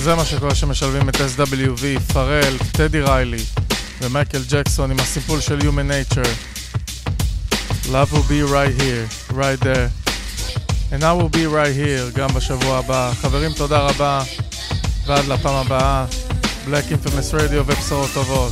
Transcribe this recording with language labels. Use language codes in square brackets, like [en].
[he] זה מה שקורה שמשלבים את SWV, פרל, טדי ריילי ומייקל ג'קסון עם הסיפול של Human Nature. [en] Love will be right here, right there. And I will be right here [he] גם בשבוע הבא. חברים, תודה רבה. ועד לפעם הבאה, Black Infamous Radio ובשורות טובות.